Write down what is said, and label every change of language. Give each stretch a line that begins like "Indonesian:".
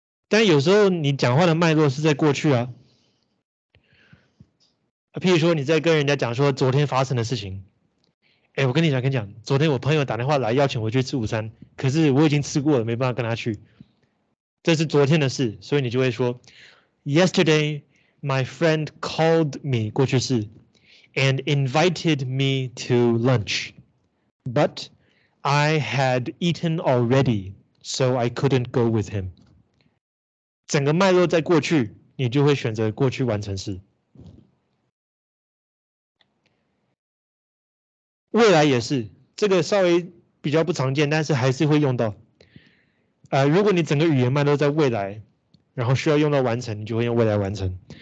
Chinese: 但有时候你讲话的脉络是在过去啊，譬如说你在跟人家讲说昨天发生的事情，哎，我跟你讲，昨天我朋友打电话来邀请我去吃午餐，可是我已经吃过了，没办法跟他去。这是昨天的事，所以你就会说
English: ，Yesterday, my friend called me
Chinese: 过去式
English: ，and invited me to lunch, but I had eaten already, so I couldn't go with him。
Chinese: 整个脉络在过去，你就会选择过去完成式。未来也是，这个稍微比较不常见，但是还是会用到。如果你整个语言脉络在未来，然后需要用到完成，你就会用未来完成。